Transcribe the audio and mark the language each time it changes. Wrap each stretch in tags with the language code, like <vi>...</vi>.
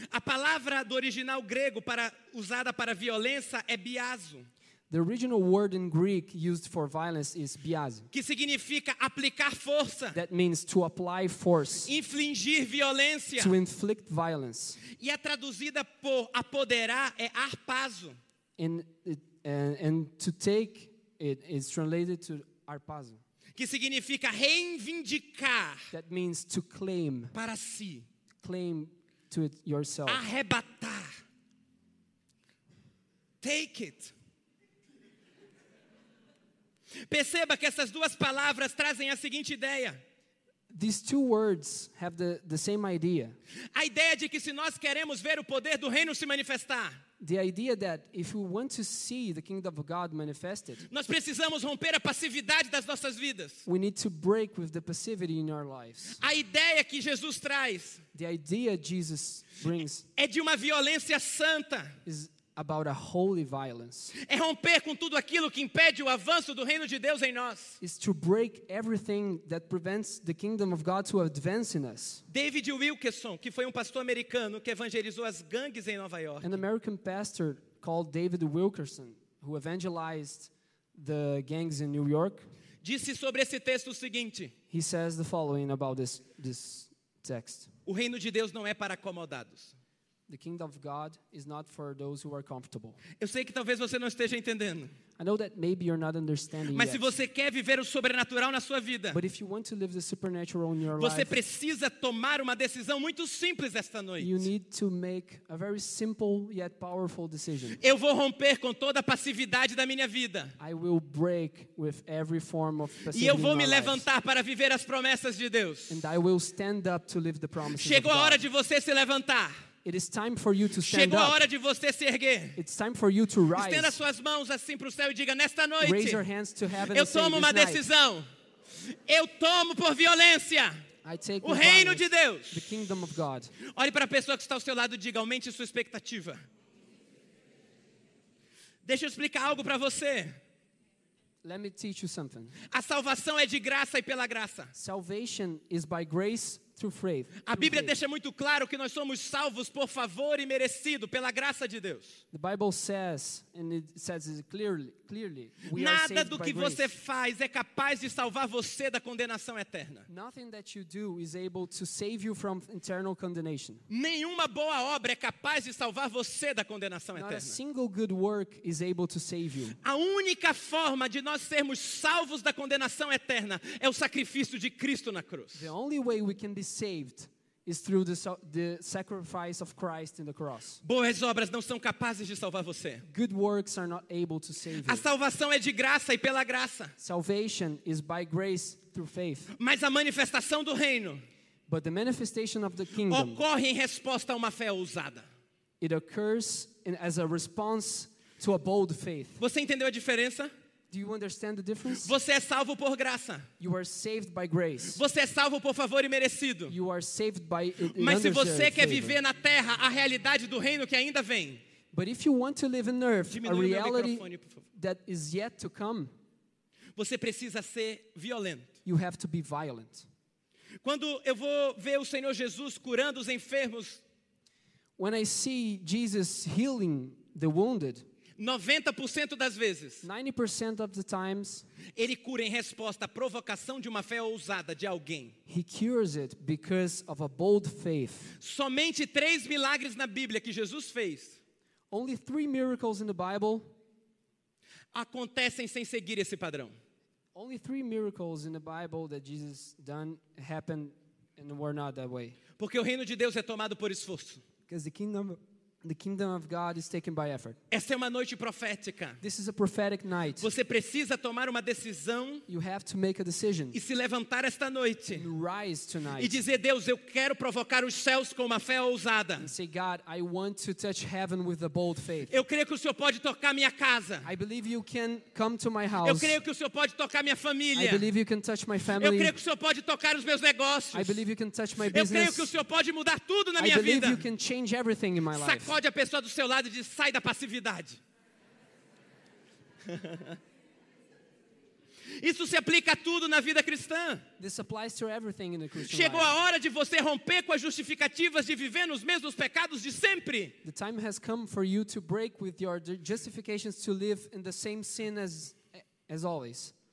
<pt>A palavra do original grego para usada para violência é biazo.</pt> <en>The original word in Greek used for violence is biazo.</en> <pt>Que significa aplicar força.</pt> <en>That means to apply force.</en> <pt>Infligir violência.</pt> <en>To inflict violence.</en> <pt>E a traduzida por apoderar é arpazo.</pt> <en>And to take it is translated to arpazo.</en> <pt>Que significa reivindicar.</pt> <en>That means to claim.</en> <pt>Para si.</pt> <en>Claim to it yourself.</en> <pt>Arrebatar.</pt> <en>Take it.</en> <pt>Perceba que essas duas palavras trazem a seguinte ideia.</pt> <en>These two words have the same idea.</en> <pt>A ideia de que se nós queremos ver o poder do reino se manifestar,</pt> <en>the idea that if we want to see the kingdom of God manifested,</en> <pt>nós precisamos romper a passividade das nossas vidas.</pt> <en>We need to break with the passivity in our lives.</en> <pt>A ideia que Jesus traz,</pt> <en>the idea Jesus brings,</en> <pt>é de uma violência santa.</pt> <en>Is about a holy violence.</en> <pt>É romper com tudo aquilo que impede o avanço do reino de Deus em nós.</pt> <en>Is to break everything that prevents the kingdom of God to advance in us.</en> <pt>David Wilkerson, que foi um pastor americano que evangelizou as gangues em Nova York.</pt> <en>An American pastor called David Wilkerson, who evangelized the gangs in New York,</en> <pt>disse sobre esse texto o seguinte.</pt> <en>He says the following about this text.</en> <pt>O reino de Deus não é para acomodados.</pt> <en>The kingdom of God is not for those who are comfortable.</en> <pt>Eu sei que talvez você não esteja entendendo.</pt> <en>I know that maybe you're not understanding.</en> <pt>Mas</pt> <en>yet.</en> <pt>Se você quer viver o sobrenatural na sua vida,</pt> <en>but if you want to live the supernatural in your</en> <pt>você</pt> <en>life,</en> <pt>precisa tomar uma decisão muito simples esta noite.</pt> <en>You need to make a very simple yet powerful decision.</en> <pt>Eu vou romper com toda a passividade da minha vida.</pt> <en>I will break with every form of passivity.</en> <pt>E eu vou me levantar para viver as promessas de Deus.</pt> <en>And I will stand up to live the promises.</en> <pt>Chegou</pt> <en>of</en> <pt>a hora</pt> <en>God.</en> <pt>De você se levantar.</pt> <en>It is time for you to stand up.</en> <pt>Chegou a hora de você se erguer.</pt> <en>It's time for you to rise.</en> <pt>Estenda suas mãos assim para o céu e diga nesta noite.</pt> <en>Raise your hands to heaven.</en> <pt>Eu tomo uma decisão. Eu tomo por violência.</pt> <en>I take</en> <pt>o reino de Deus.</pt> <en>The kingdom of God.</en> <pt>Olhe para a pessoa que está ao seu lado e diga aumente sua expectativa. Deixa eu explicar algo para você.</pt> <en>Let me teach you something.</en> <pt>A salvação é de graça e pela graça.</pt> <en>Salvation is by grace. Faith,</en> <pt>a Bíblia deixa muito claro que nós somos salvos por favor e merecido pela graça de Deus.</pt> <en>The Bible says, and it says it clearly, we</en> <pt>nada</pt> <en>are saved</en> <pt>do que</pt> <en>by</en> <pt>você</pt> <en>grace.</en> <pt>Faz é capaz de salvar você da condenação eterna.</pt> <en>Nothing that you do is able to save you from eternal condemnation.</en> <pt>Nenhuma boa obra é capaz de salvar você da condenação eterna.</pt> <en>Not a single good work is able to save you.</en> <pt>A única forma de nós sermos salvos da condenação eterna é o sacrifício de Cristo na cruz.</pt> <en>The only way we can be saved is through the sacrifice of Christ in the cross.</en> <pt>Boas obras não são capazes de salvar você.</pt> <en>Good works are not able to save you.</en> <pt>A salvação é de graça e pela graça.</pt> <en>Salvation is by grace through faith.</en> <pt>Mas a manifestação do reino,</pt> <en>but the manifestation of the kingdom,</en> <pt>ocorre em resposta a uma fé ousada.</pt> <en>It occurs as a response to a bold faith.</en> <pt>Você entendeu a diferença?</pt> <en>Do you understand the difference?</en> <pt>Você é salvo por graça.</pt> <en>You are saved by grace.</en> <pt>Você é salvo por favor e merecido.</pt> <en>You are saved by</en> <pt>mas se você quer</pt> <en>favor.</en> <pt>Viver na terra a realidade do reino que ainda vem.</pt> <en>But if you want to live in earth,</en> <pt>diminui</pt> <en>a reality</en> <pt>meu microfone, por favor.</pt> <en>That is yet to come.</en> <pt>Você precisa ser violento.</pt> <en>You have to be violent.</en> <pt>Quando eu vou ver o Senhor Jesus curando os enfermos,</pt> <en>when I see Jesus healing the wounded,</en> <pt>90% das vezes,</pt> <en>90% of the times,</en> <pt>ele cura em resposta à provocação de uma fé ousada de alguém.</pt> <en>He cures it because of a bold faith.</en> <pt>Somente 3 milagres na Bíblia que Jesus fez.</pt> <en>Only 3 miracles in the Bible</en> <pt>acontecem sem seguir esse padrão.</pt> <en>Only 3 miracles in the Bible that Jesus done happened and were not that way.</en> <pt>Porque o reino de Deus é tomado por esforço.</pt> <en>Because the kingdom of God is taken by effort.</en> <pt>Essa é uma noite profética.</pt> <en>This is a prophetic night.</en> <pt>Você precisa tomar uma decisão.</pt> <en>You have to make a decision.</en> <pt>E se levantar esta noite.</pt> <en>And rise tonight.</en> <pt>E dizer, Deus, eu quero provocar os céus com uma fé ousada.</pt> <en>And say, God, I want to touch heaven with a bold faith.</en> <pt>Eu creio que o Senhor pode tocar minha casa.</pt> <en>I believe you can come to my house.</en> <pt>Eu creio que o Senhor pode tocar minha família.</pt> <en>I believe you can touch my family.</en> <pt>Eu creio que o Senhor pode tocar os meus negócios.</pt> <en>I believe you can touch my business.</en> <pt>Eu creio que o Senhor pode mudar tudo na minha vida.</pt> <en>I believe you can change everything in my life.</en> <pt>Pode a pessoa do seu lado e diz, sai da passividade. Isso se aplica a tudo na vida cristã.</pt> <en>This applies to everything in the Christian life.</en> <pt>Chegou a hora de você romper com as justificativas de viver nos mesmos pecados de sempre.</pt> <en>The time has come for you to break with your justifications to live in the same sin as always.</en>